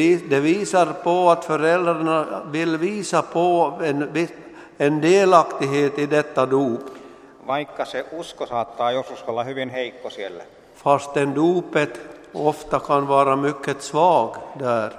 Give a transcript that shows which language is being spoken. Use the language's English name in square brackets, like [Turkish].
[Swedish] Det visar på att föräldrarna vill visa på en delaktighet i detta dop. [Finnish] Vaikka se usko saattaa joskus olla hyvin heikko siellä. [Swedish] Fasten dopet ofta kan vara mycket svag där.